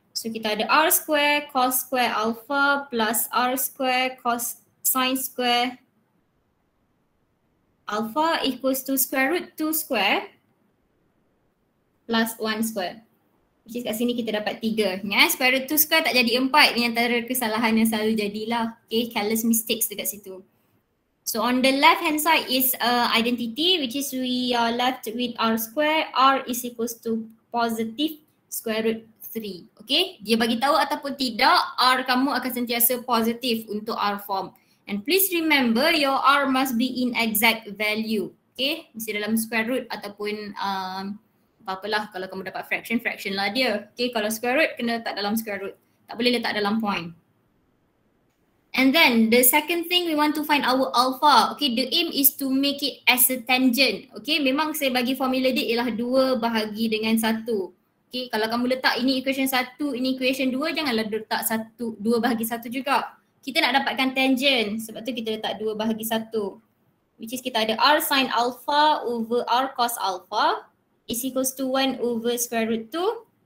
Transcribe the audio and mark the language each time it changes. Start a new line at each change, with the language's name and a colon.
English: So
Malay: kita ada
English: R square cos square alpha plus R square cos sin square alpha equals to square root 2 square plus 1 square. Which is
Malay: kat sini kita dapat 3.
English: Yeah, square root 2 square
Malay: tak jadi 4. Ini antara kesalahan yang selalu jadilah.
English: Okay, careless mistakes
Malay: dekat situ.
English: So on the left hand side is identity, which is we are left with r square. R is equals to positive square root 3.
Malay: Okay, dia bagi tahu ataupun tidak, r kamu akan sentiasa positif untuk r form.
English: And please remember your r must be in exact value.
Malay: Okay, mesti dalam square root ataupun apa-apalah kalau kamu dapat fraction, fraction lah dia. Okay, kalau square root, kena letak dalam square root. Tak boleh letak dalam point.
English: And then the second thing we want to find our alpha. Okay, the aim is to make it as a tangent.
Malay: Okay, memang saya bagi formula dia ialah 2 bahagi dengan 1. Okay, kalau kamu letak ini equation 1, ini equation 2, janganlah letak 1, 2 bahagi 1 juga. Kita nak dapatkan tangent, sebab tu kita letak 2 bahagi 1.
English: Which is
Malay: kita ada
English: r sin alpha over r cos alpha is equals to 1 over square root 2.